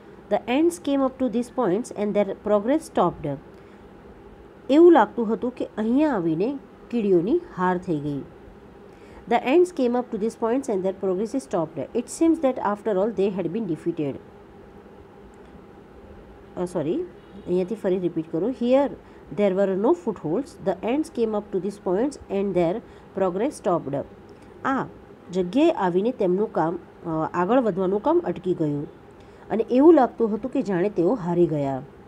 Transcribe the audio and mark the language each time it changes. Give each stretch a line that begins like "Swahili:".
English: The ants came up to these points and their progress stopped.
Gujarati: એવું લાગતું હતું કે અહીંયા આવીને કીડીઓની હાર થઈ ગઈ.
English: The ants came up to these points and their progress is stopped. It seems that after all they had been defeated.
Gujarati: અહીંયાથી ફરી રિપીટ કરું.
English: Here There were no footholds. The ants came up to these points and their progress stopped.
Gujarati: આ જગ્યાએ આવીને તેમનું કામ આગળ વધવાનું કામ અટકી ગયું અને એવું લાગતું હતું કે જાણે તેઓ હારી ગયા.